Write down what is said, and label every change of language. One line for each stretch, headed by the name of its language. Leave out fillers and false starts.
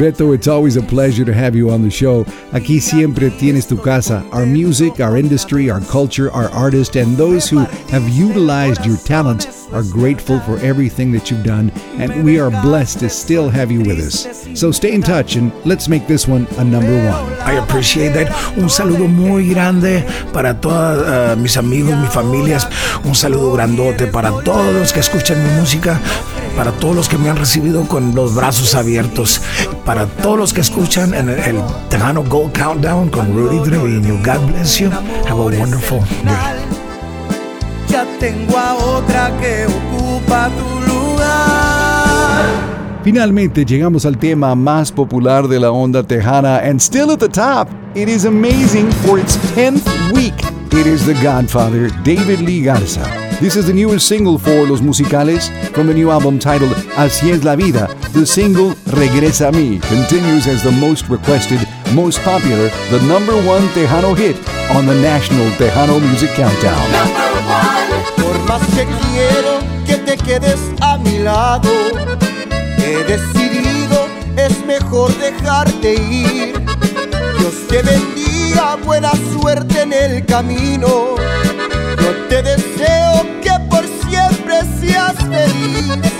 English: Beto, it's always a pleasure to have you on the show.
Spanish: Aquí siempre tienes tu casa.
English: Our music, our industry, our culture, our artists, and those who have utilized your talents are grateful for everything that you've done, and we are blessed to still have you with us. So stay in touch, and let's make this one a number one. I appreciate that.
Spanish: Un saludo muy grande para todos mis amigos, mis familias. Un saludo grandote para todos los que escuchan mi música, para todos los que me han recibido con los brazos abiertos, para todos los que escuchan el Tejano Gold Countdown con Rudy Treviño.
English: God bless you. Have a wonderful day.
Spanish: Tengo a otra que ocupa tu lugar. Finalmente llegamos al tema más popular de la onda tejana,
English: and still at the top, it is amazing for its 10th week. It is the Godfather, David Lee Garza. This is the newest single for Los Musicales from the new album titled Así Es La Vida. The single Regresa a Mí continues as the most requested, most popular, the number one Tejano hit on the National Tejano Music Countdown.
Spanish: Por más que quiero que te quedes a mi lado, he decidido es mejor dejarte ir. Dios te bendiga, buena suerte en el camino. Yo te deseo que por siempre seas feliz.